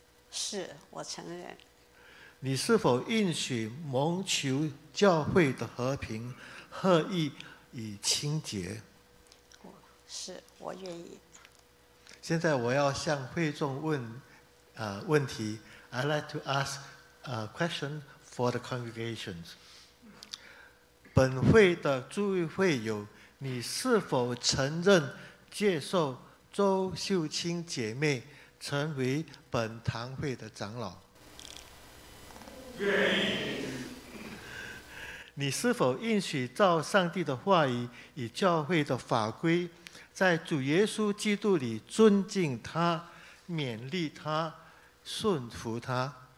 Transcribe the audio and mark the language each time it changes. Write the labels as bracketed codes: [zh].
[zh] 是，我承认。你是否应许蒙求教会的和平、合意与清洁？是，我愿意。现在我要向会众问问题。 [en] I'd like to ask a question for the congregations. [zh] 本会的诸位会友，你是否承认接受周秀清姐妹成为本堂会的长老？愿意。你是否应许照上帝的话语与教会的法规，在主耶稣基督里尊敬他、勉励他、顺服他？